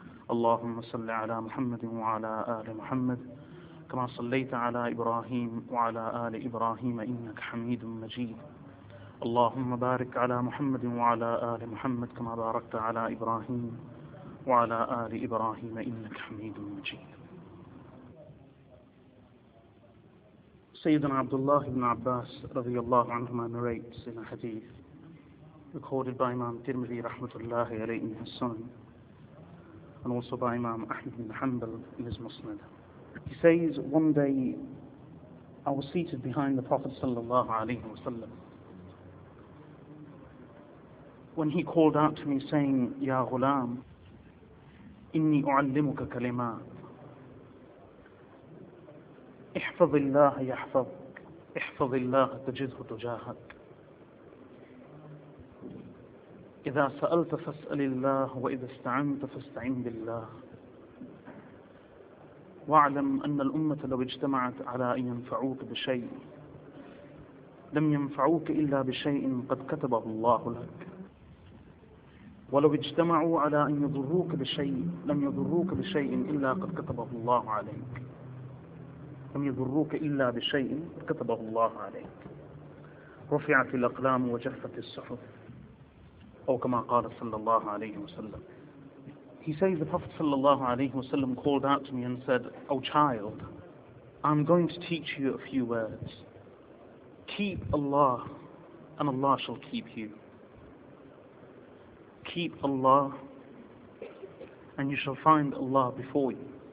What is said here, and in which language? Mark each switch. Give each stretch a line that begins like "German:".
Arabic: اللهم صل على محمد وعلى آل محمد كما صليت على إبراهيم وعلى آل إبراهيم إنك حميد مجيد. اللهم بارك على محمد وعلى آل محمد كما باركت على إبراهيم وعلى آل إبراهيم إنك حميد مجيد. سيدنا عبد الله بن عباس رضي الله عنهما
English: narrates in a hadith recorded by Imam Tirmidhi rahmatullahi alayhi in his Sunan and also by Imam Ahmad bin Hanbal in his Musnad. He says, one day I was seated behind the Prophet sallallahu alayhi wa sallam when he called out to me saying,
Arabic: Ya Ghulam, inni u'allimuka kalimat, ihfaz Allah yahfazk, ihfaz Allah tajidhu tujahak, إذا سألت فاسأل الله وإذا استعنت فاستعن بالله، واعلم أن الأمة لو اجتمعت على أن ينفعوك بشيء لم ينفعوك إلا بشيء قد كتبه الله لك، ولو اجتمعوا على أن يضروك بشيء لم يضروك بشيء إلا قد كتبه الله عليك، لم يضروك إلا بشيء قد كتبه الله عليك، رفعت الأقلام وجفت الصحف. أو كما قال صلى الله عليه وسلم.
English: He says the Prophet صلى الله عليه وسلم called out to me and said, O child, I'm going to teach you a few words. Keep Allah and Allah shall keep you. Keep Allah and you shall find Allah before you.